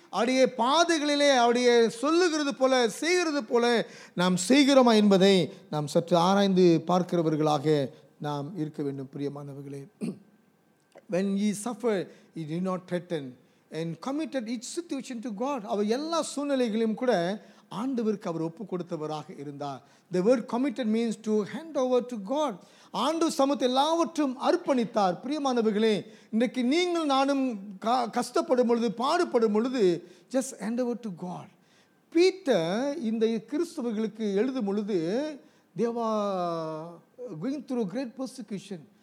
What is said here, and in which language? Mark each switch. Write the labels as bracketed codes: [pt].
[ta] அவருடைய பாதைகளிலே அவருடைய சொல்லுகிறது போல செய்கிறது போல நாம் செய்கிறோமா என்பதை நாம் சற்று ஆராய்ந்து பார்க்கிறவர்களாக நாம் இருக்க வேண்டும். பிரியமானவர்களே, [en] when he suffered he did not threaten and committed each situation to God. [ta] அவர் எல்லா சூழ்நிலைகளையும் கூட ஆண்டவருக்கு அவர் ஒப்பு கொடுத்தவராக இருந்தார். [en] The word committed means to hand over to God. [ta] ஆண்டு சமத்து எல்லாவற்றும் அர்ப்பணித்தார். பிரியமானவர்களே, இன்றைக்கு நீங்கள் நானும் கஷ்டப்படும் பொழுது பாடுபடும் பொழுது [en] just hand over to God. [ta] Peter இந்த கிறிஸ்தவர்களுக்கு எழுதும் பொழுது [en] they were going through great persecution.